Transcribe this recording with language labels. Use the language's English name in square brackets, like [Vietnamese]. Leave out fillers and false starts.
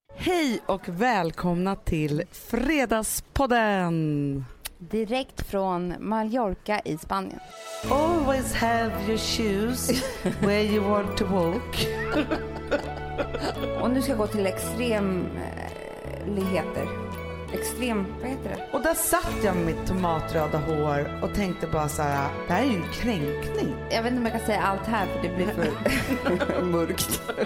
[Swedish] Hej och välkomna till Fredagspodden. Direkt från Mallorca i Spanien. [English] Always have your shoes where you want to walk. [Swedish] Och nu ska jag gå till extremligheter. Extrem, vad heter det? Och där satt jag med mitt tomatröda hår och tänkte bara så här: det här är ju en kränkning. Jag vet inte om jag kan säga allt här för det blir för mörkt.